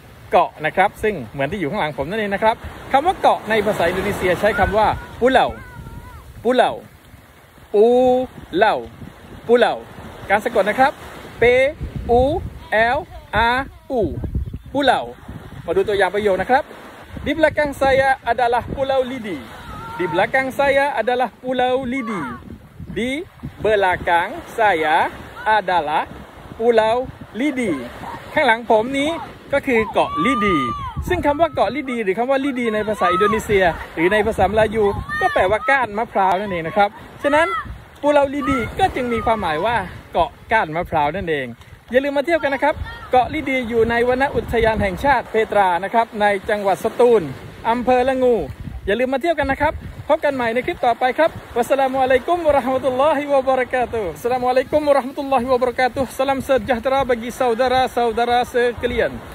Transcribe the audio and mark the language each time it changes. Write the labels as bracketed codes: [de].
[th] เกาะนะครับซึ่งเหมือนที่อยู่ข้างหลังผมนั่นเองนะครับคำว่าเกาะในภาษาอินโดนีเซียใช้คำว่าปูเหล่าปูเหล่าปูเหล่าปูเหล่าการสะกดนะครับ P U L A U ปูเหล่ามาดูตัวอย่างประโยคนะครับ [id] Di belakang saya adalah Pulau Lidi. Di belakang saya adalah Pulau Lidi. Di belakang saya adalah Pulau Lidi. [th] ข้างหลังผมนี้ก็คือเกาะลิดีซึ่งคำว่าเกาะลิดีหรือคำว่าลิดีในภาษาอินโดนีเซียหรือในภาษามลายูก็แปลว่าก้านมะพร้าวนั่นเองนะครับฉะนั้น ปูเหล่าลิดีก็จึงมีความหมายว่าเกาะก้านมะพร้าวนั่นเองอย่าลืมมาเที่ยวกันนะครับเกาะลิดีอยู่ในวนอุทยานแห่งชาติเพตรานะครับในจังหวัดสตูลอำเภอละงูอย่าลืมมาเที่ยวกันนะครับพบกันใหม่ในคลิปต่อไปครับวัสสลามุอะลัยกุมวะเราะห์มะตุลลอฮิวะบะเราะกาตุฮ์สลามุอะลัยกุมวะเราะห์มะตุลลอฮิวะบะเราะกาตุฮ์ [ms] สลามเซจจะตราบากีซาวดาราซาวดาราสเกเลียน